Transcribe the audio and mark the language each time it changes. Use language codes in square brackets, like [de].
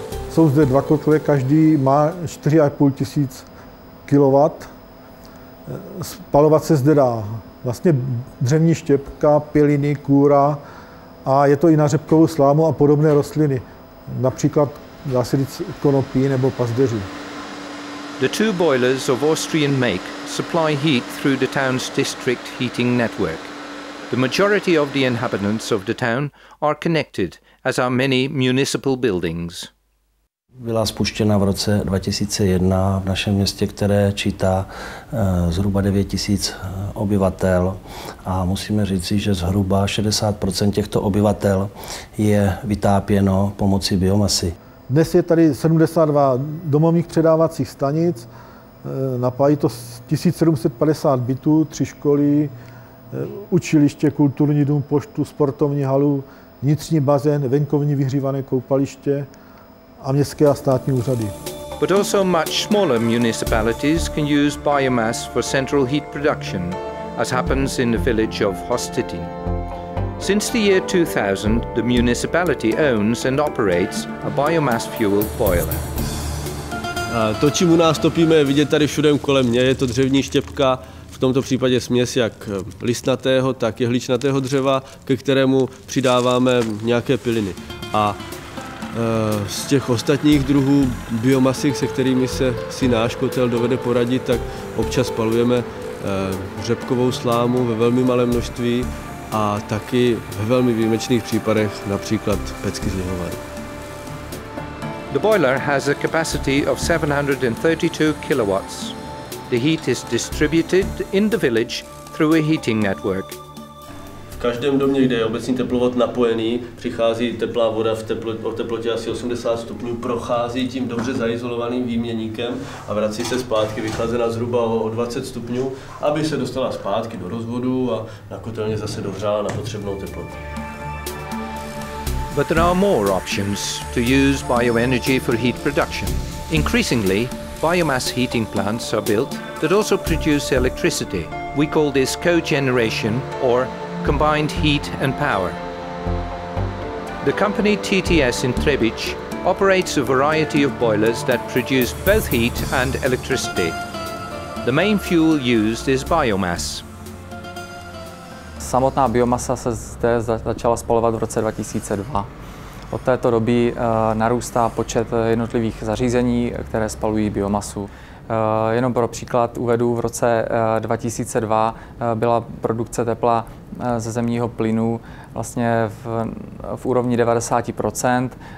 [cs] Jsou zde dva kotle, každý má 4 500 kW. Spalovat se zde dá vlastně dřevní štěpka, piliny, kůra a je to I na řepkovou slámu a podobné rostliny, například [en] The two boilers of Austrian make supply heat through the town's district heating network. The majority of the inhabitants of the town are connected, as are many municipal buildings. [cs] Byla spuštěna v roce 2001 v našem městě, které čítá zhruba 9000 obyvatel. A musíme říci, že zhruba 60% těchto obyvatel je vytápěno pomocí biomasy. Dnes je tady 72 domovních předávacích stanic, Napájí to 1750 bytů, 3 školy, učiliště, kulturní dům, poštu, sportovní halu, vnitřní bazén, venkovní vyhřívané koupaliště a městské a státní úřady. [en] But also much smaller municipalities can use biomass for central heat production, as happens in the village of Hostetín. Since the year 2000, the municipality owns and operates a biomass fuel boiler. [cs] To, čím u nás topíme, je vidět tady všude kolem mě. Je to dřevní štěpka, v tomto případě směs jak listnatého, tak jehličnatého dřeva, ke kterému přidáváme nějaké piliny. A z těch ostatních druhů biomasy, se kterými se si náš kotel dovede poradit, tak občas spalujeme řepkovou slámu ve velmi malém množství a taky ve velmi výjimečných případech například pecky z lihovaru. [en] The boiler has a capacity of 732 kilowatts. The heat is distributed in the village through a heating network. [cs] V každém domě, kde je obecní teplovod napojený, přichází teplá voda o teplotě asi 80 stupňů, prochází tím dobře zaizolovaným výměníkem a vrací se zpátky vychlazená zhruba o 20 stupňů, aby se dostala zpátky do rozvodu a na kotelně zase dohřála na potřebnou teplotu. [en] But there are more options to use bioenergy for heat production. Increasingly, biomass heating plants are built that also produce electricity. We call this cogeneration or combined heat and power. The company TTS in Třebíč operates a variety of boilers that produce both heat and electricity. The main fuel used is biomass. [cs] Samotná biomasa se zde začala spalovat v roce 2002. Od této doby narůstá počet jednotlivých zařízení, které spalují biomasu. Jenom pro příklad uvedu, v roce 2002 byla produkce tepla ze zemního plynu vlastně v úrovni 90%.